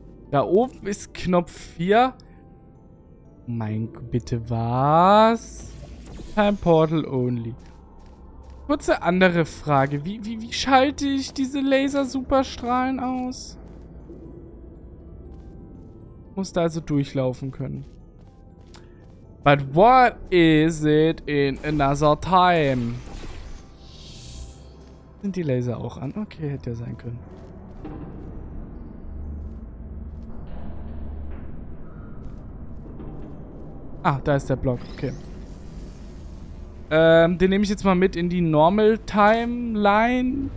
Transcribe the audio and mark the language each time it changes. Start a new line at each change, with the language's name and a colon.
German: Da oben ist Knopf 4. Mein Gott, bitte was?
English: Time Portal Only.
German: Kurze andere Frage. Wie schalte ich diese Laser-Superstrahlen aus? Muss da also durchlaufen können.
English: But what is it in another time?
German: Sind die Laser auch an? Okay, hätte ja sein können. Ah, da ist der Block, okay. Den nehme ich jetzt mal mit in die Normal Timeline.